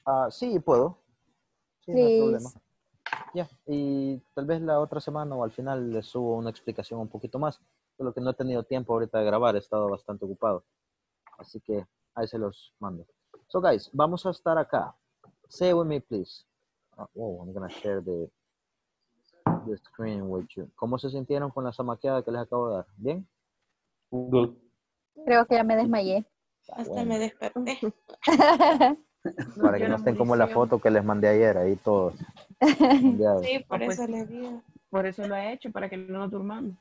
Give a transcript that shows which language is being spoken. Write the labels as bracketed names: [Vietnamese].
[Spanish] Sí, puedo. Sí, no hay problema. Ya, y tal vez la otra semana o al final les subo una explicación un poquito más. Solo que no he tenido tiempo ahorita de grabar, he estado bastante ocupado. Así que ahí se los mando. So, guys, vamos a estar acá. [English] Say it with me, please. I'm going to share the screen with you. [Spanish] ¿Cómo se sintieron con la zamaqueada que les acabo de dar? ¿Bien? [English] Good. [Spanish] Creo que ya me desmayé. Hasta bueno. Me desperté. Para que no estén como la foto que les mandé ayer, ahí todos. Sí, por eso pues, le digo. Por eso lo he hecho, para que no nos durmamos.